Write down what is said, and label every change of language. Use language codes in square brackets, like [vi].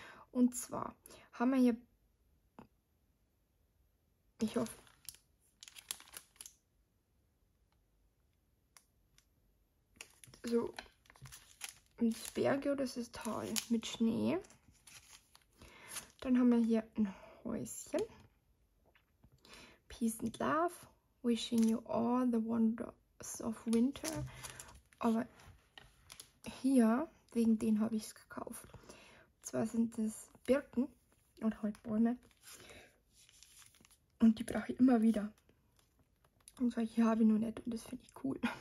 [de] Und zwar haben wir hier, ich hoffe, so ein Berg oder das ist Tal mit Schnee. Dann haben wir hier ein Häuschen. [en] Peace and Love, wishing you all the wonders of winter. [de] Aber hier, wegen denen habe ich es gekauft. Und zwar sind es Birken und halt Bäume. Und die brauche ich immer wieder. Und solche habe ich noch nicht und das finde ich cool.